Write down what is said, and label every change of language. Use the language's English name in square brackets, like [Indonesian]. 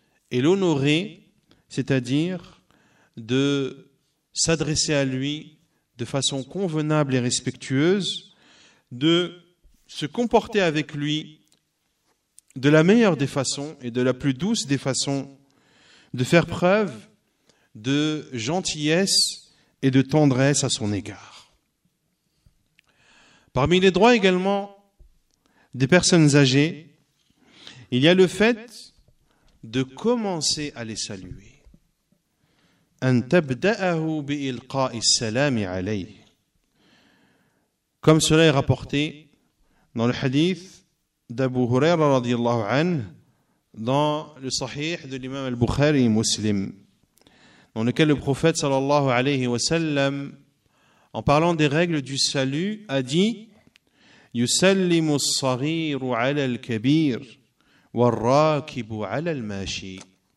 [French] Et l'honorer, c'est-à-dire de s'adresser à lui de façon convenable et respectueuse, de se comporter avec lui de la meilleure des façons et de la plus douce des façons, de faire preuve de gentillesse et de tendresse à son égard. Parmi les droits également des personnes âgées, il y a le fait de commencer à les saluer. [Arabic] أن تبدأه بإلقاء السلام عليه. [French] Comme cela est rapporté dans le hadith d'Abu Huraira radiallahu anhu dans le sahih de l'imam al-Bukhari muslim, dans lequel le prophète sallallahu alayhi wa sallam, en parlant des règles du salut, a dit « [Arabic] يُسَلِّمُ الصَّغِيرُ عَلَى الْكَبِيرُ وَالرَّاكِبُ عَلَى الْمَاشِي »